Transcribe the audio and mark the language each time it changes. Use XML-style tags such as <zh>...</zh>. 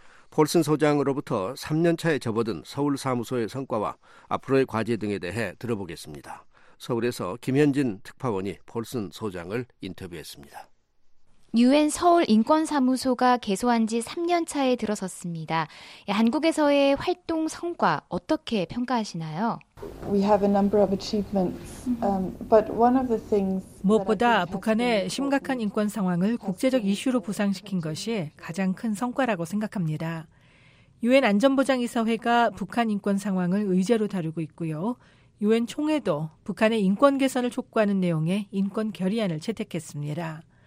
<ko>폴슨 소장으로부터 3년 차에 접어든 서울 사무소의 성과와 앞으로의 과제 등에 대해 들어보겠습니다. 서울에서 김현진 특파원이 폴슨 소장을 인터뷰했습니다. 유엔 서울인권사무소가 개소한 지 3년 차에 들어섰습니다. 한국에서의 활동 성과 어떻게 평가하시나요?</ko> <en>We have a number of achievements, but one of the things</en> <ko>무엇보다 북한의 심각한 인권 상황을 국제적 이슈로 부상시킨 것이 가장 큰 성과라고 생각합니다. 유엔 안전보장이사회가 북한 인권 상황을 의제로 다루고 있고요. 유엔 총회도 북한의 인권 개선을 촉구하는 내용의 인권 결의안을 채택했습니다.</ko>